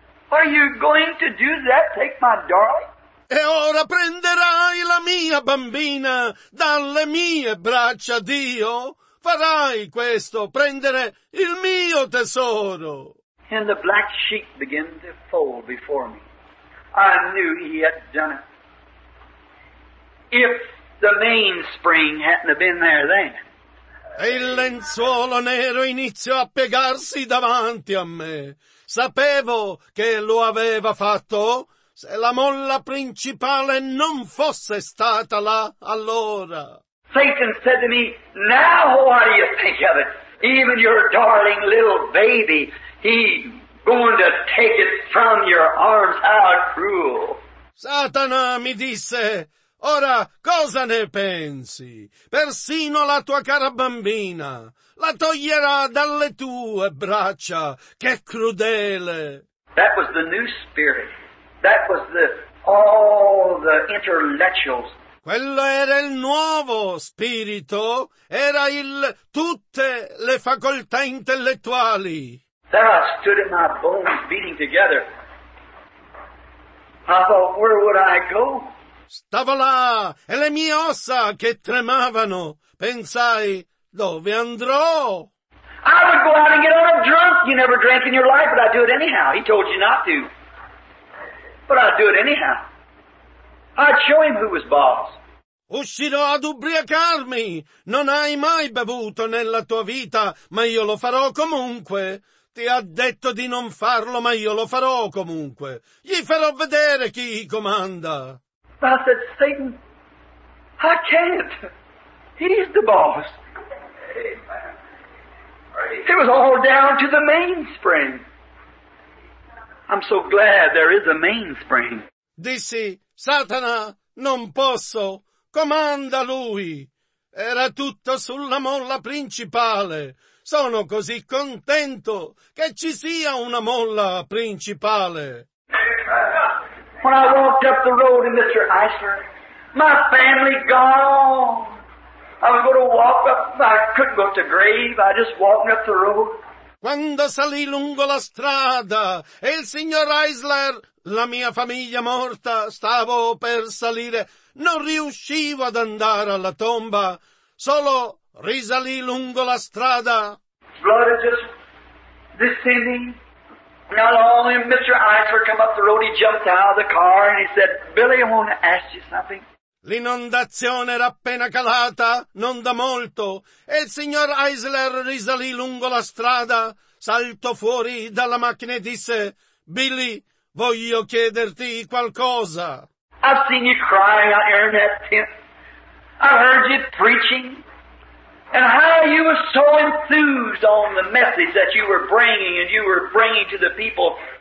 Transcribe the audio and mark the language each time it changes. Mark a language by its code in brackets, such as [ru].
[en] Are you going to do that? Take my darling? [it] E ora prenderai la mia bambina dalle mie braccia, Dio. Farai questo, prendere il mio tesoro. [en] And the black sheep began to fold before me. I knew he had done it. If the mainspring hadn't have been there then. [it] E il lenzuolo nero iniziò a piegarsi davanti a me. Sapevo che lo aveva fatto. Se la molla principale non fosse stata là, allora. [en] Satan said to me, now what do you think of it? Even your darling little baby, he going to take it from your arms. How cruel. [it] Satana mi disse, ora, cosa ne pensi? Persino la tua cara bambina la toglierà dalle tue braccia. Che crudele! [en] That was the new spirit. That was the all the intellectuals. [it] Quello era il nuovo spirito. Era il tutte le facoltà intellettuali. [en] There I stood in my bones beating together. I thought, where would I go? [it] Stavo là, e le mie ossa che tremavano, pensai, dove andrò? [en] I would go out and get all drunk. You never drank in your life, but I do it anyhow. He told you not to. But I'd do it anyhow. I'd show him who was boss. [it] Uscirò ad ubriacarmi. Non hai mai bevuto nella tua vita, ma io lo farò comunque. Ti ha detto di non farlo, ma io lo farò comunque. Gli farò vedere chi comanda. [en] I said, Satan, I can't. He's the boss. It was all down to the mainspring. I'm so glad there is a mainspring. [it] Dissi, Satana, non posso. Comanda lui. Era tutto sulla molla principale. Sono così contento che ci sia una molla principale. [en] When I walked up the road to Mr. Eisler, my family gone. I was going to walk up, I couldn't go to the grave, I just walked up the road. [it] Quando salì lungo la strada, e il signor Eisler, la mia famiglia morta, stavo per salire, non riuscivo ad andare alla tomba, solo risalì lungo la strada. [en] Blood is just descending. Not only Mr. Eisler come up the road, he jumped out of the car and he said, Billy, I want to ask you something. [it] L'inondazione era appena calata, non da molto, e il signor Eisler risalì lungo la strada, saltò fuori dalla macchina e disse: Billy, voglio chiederti qualcosa. [en] I've seen you crying out there in that tent. I heard you preaching. And how you were so enthused on the message that you were bringing and you were bringing to the people.